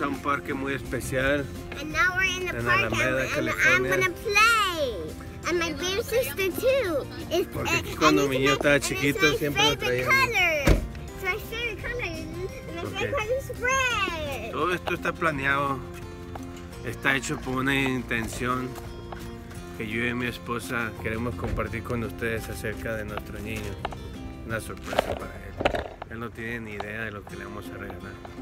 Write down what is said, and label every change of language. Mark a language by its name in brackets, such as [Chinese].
[Spanish] a un parque muy especial. [English] And now we're in the park, Alameda, and I'm gonna play. And my baby sister too. [Spanish] Porque aquí cuando mi niño estaba chiquito siempre lo traía. [English] It's my favorite color. And my favorite color is red. [Spanish] Todo esto está planeado. Está hecho por una intención que yo y mi esposa queremos compartir con ustedes acerca de nuestro niño. Una sorpresa para él. Él no tiene ni idea de lo que le vamos a regalar.